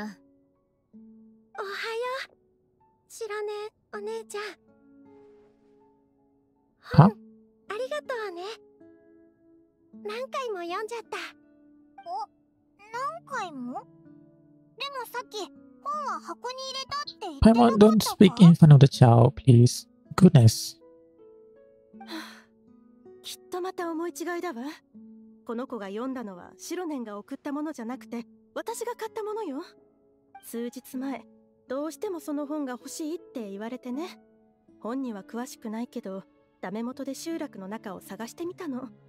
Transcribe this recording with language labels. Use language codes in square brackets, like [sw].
[ja] おはよう、シロネ、お姉ちゃん。本、ありがとうね。何回も読んじゃった。お、何回も？でもさっき、本は箱に入れたって言ってなかったか？ [en] Don't speak in front of the child, please. Goodness. [ja] きっとまた思い違いだわ。この子が読んだのはシロネンが送ったものじゃなくて私が買ったものよ。数日前、どうしてもその本が欲しいって言われてね。本には詳しくないけど、ダメ元で集落の中を探してみたの。